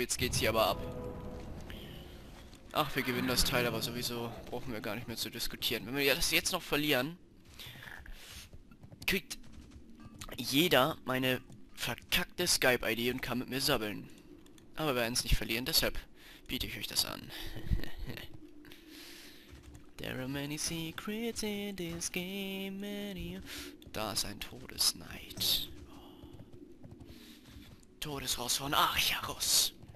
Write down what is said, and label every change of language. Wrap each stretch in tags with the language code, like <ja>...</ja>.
<de>Jetzt geht's hier aber ab. Ach, wir gewinnen das Teil, aber sowieso brauchen wir gar nicht mehr zu diskutieren. Wenn wir das jetzt noch verlieren, kriegt jeder meine verkackte Skype-ID und kann mit mir sabbeln. Aber wir werden es nicht verlieren, deshalb biete ich euch das an.</de> <en>There are many secrets in this game.</en> <de>Da ist ein Todesknight. Todesraus von Archaros.</de>